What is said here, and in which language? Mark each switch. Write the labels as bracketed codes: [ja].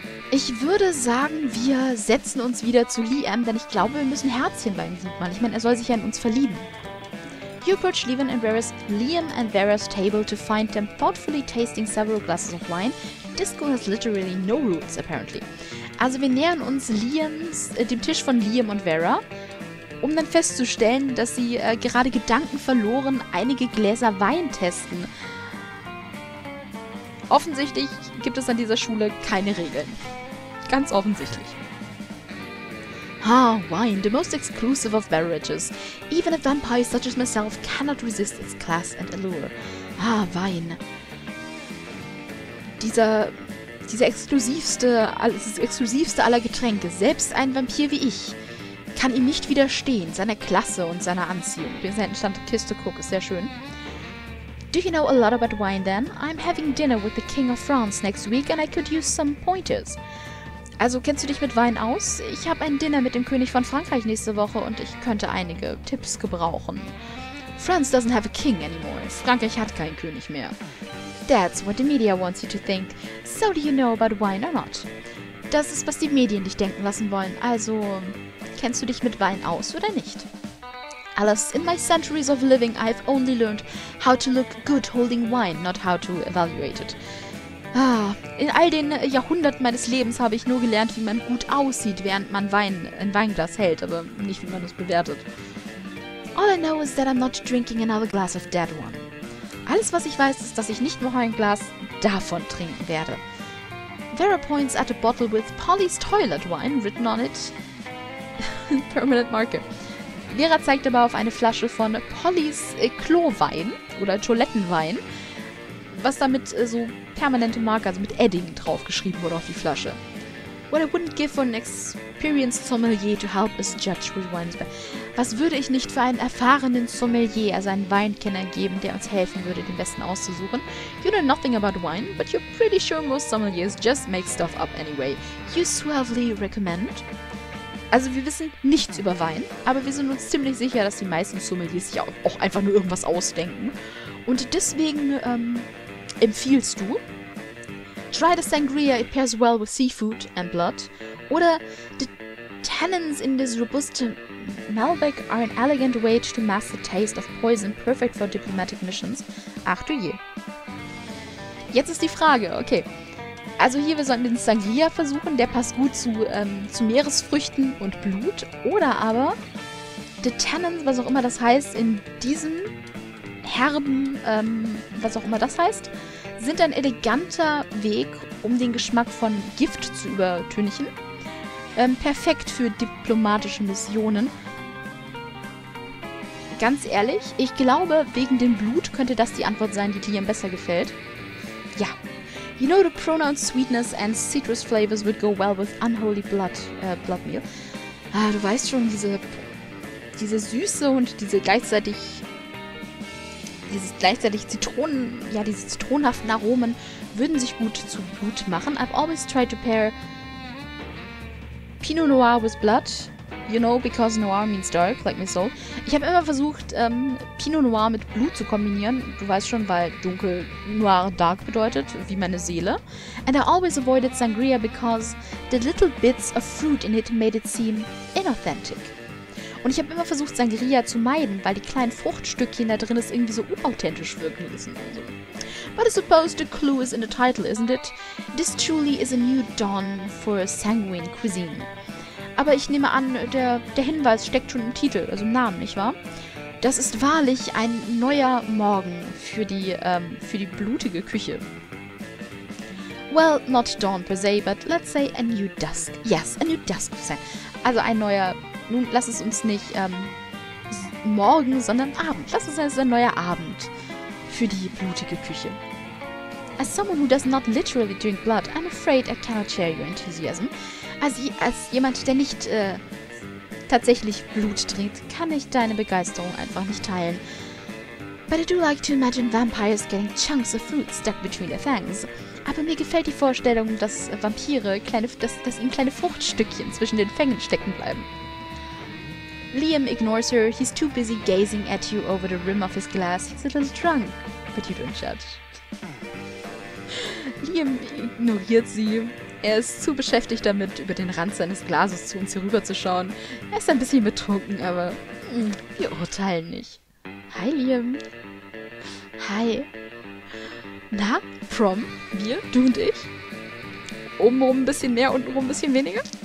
[de] Ich würde sagen, wir setzen uns wieder zu Liam, denn ich glaube, wir müssen Herzchen bei ihm suchen. Ich meine, er soll sich ja in uns verlieben. [en] You approach Liam and Varys table to find them thoughtfully tasting several glasses of wine. Disco has literally no roots, apparently. [de] Also wir nähern uns dem Tisch von Liam und Vera, um dann festzustellen, dass sie gerade Gedanken verloren einige Gläser Wein testen. Offensichtlich gibt es an dieser Schule keine Regeln. Ganz offensichtlich. [en] Ah, wine, the most exclusive of beverages. Even a vampire such as myself cannot resist its class and allure. [de] Ah, Wein. Das exklusivste aller Getränke. Selbst ein Vampir wie ich kann ihm nicht widerstehen, seiner Klasse und seiner Anziehung. Wir sind entstanden, Kiste Cook, ist sehr schön. [en] Do you know a lot about wine then? I'm having dinner with the King of France next week and I could use some pointers. [de] Also, kennst du dich mit Wein aus? Ich habe ein Dinner mit dem König von Frankreich nächste Woche und ich könnte einige Tipps gebrauchen. [en] France doesn't have a king anymore. [de] Frankreich hat keinen König mehr. [en] That's what the media wants you to think. So do you know about wine or not? [de] Das ist, was die Medien dich denken lassen wollen. Also, kennst du dich mit Wein aus oder nicht? [en] Alas, in my centuries of living, I've only learned how to look good holding wine, not how to evaluate it. [de] Ah, in all den Jahrhunderten meines Lebens habe ich nur gelernt, wie man gut aussieht, während man Wein in Weinglas hält, aber nicht, wie man es bewertet. [en] All I know is that I'm not drinking another glass of dead one. [de] Alles, was ich weiß, ist, dass ich nicht nur ein Glas davon trinken werde. [en] Vera points at a bottle with Polly's toilet wine written on it. Permanent marker. [de] Vera zeigt aber auf eine Flasche von Polly's Klowein oder Toilettenwein, was damit so permanente Marker, also mit Edding draufgeschrieben wurde auf die Flasche. [en] What I wouldn't give for an experienced sommelier to help us judge with wines. [de] Was würde ich nicht für einen erfahrenen Sommelier, also einen Weinkenner geben, der uns helfen würde, den besten auszusuchen? [en] You know nothing about wine, but you're pretty sure most sommeliers just make stuff up anyway. You suavely recommend? [de] Also wir wissen nichts über Wein, aber wir sind uns ziemlich sicher, dass die meisten Sommeliers ja auch einfach nur irgendwas ausdenken. Und deswegen empfiehlst du, [en] try the sangria, it pairs well with seafood and blood. [de] Oder [en] the tannins in this robust Malbec are an elegant way to mask the taste of poison, perfect for diplomatic missions. [de] Ach du je. Jetzt ist die Frage, okay. Also hier, wir sollen den Sangria versuchen, der passt gut zu Meeresfrüchten und Blut. Oder aber the tannins, was auch immer das heißt, in diesem herben, was auch immer das heißt, sind ein eleganter Weg, um den Geschmack von Gift zu übertünchen. Perfekt für diplomatische Missionen. Ganz ehrlich, ich glaube, wegen dem Blut könnte das die Antwort sein, die Liam besser gefällt. Ja. [en] You know the pronoun sweetness and citrus flavors would go well with unholy blood, blood meal. [de] Ah, du weißt schon, diese Süße und diese zitronenhaften Aromen würden sich gut zu Blut machen. [en] I've always tried to pair Pinot Noir with blood, you know, because Noir means dark, like my soul. [de] Ich habe immer versucht, Pinot Noir mit Blut zu kombinieren. Du weißt schon, weil dunkel Noir dark bedeutet, wie meine Seele. [en] And I always avoided Sangria because the little bits of fruit in it made it seem inauthentic. [de] Und ich habe immer versucht, Sangria zu meiden, weil die kleinen Fruchtstückchen da drin es irgendwie so unauthentisch wirken lassen. [en] But I suppose the clue is in the title, isn't it? This truly is a new dawn for sanguine cuisine. [de] Aber ich nehme an, der Hinweis steckt schon im Titel, also im Namen, nicht wahr? Das ist wahrlich ein neuer Morgen für die blutige Küche. [en] Well, not dawn per se, but let's say a new dusk. Yes, a new dusk. [de] Also ein neuer... Nun, lass es uns nicht morgen, sondern Abend. Lass es uns ein neuer Abend für die blutige Küche. [en] As someone who does not literally drink blood, I'm afraid I cannot share your enthusiasm. [de] Als jemand, der nicht tatsächlich Blut trinkt, kann ich deine Begeisterung einfach nicht teilen. [en] But I do like to imagine vampires getting chunks of fruit stuck between their fangs. [de] Aber mir gefällt die Vorstellung, dass Vampire, dass ihnen kleine Fruchtstückchen zwischen den Fängen stecken bleiben. [en] Liam ignores her. He's too busy gazing at you over the rim of his glass. He's a little drunk, but you don't judge. [de] Liam ignoriert sie. Er ist zu beschäftigt damit, über den Rand seines Glases zu uns herüberzuschauen. Er ist ein bisschen betrunken, aber wir urteilen nicht. [en] Hi, Liam. Hi. [de] Na, Prom, wir, du und ich? Obenrum ein bisschen mehr, untenrum ein bisschen weniger?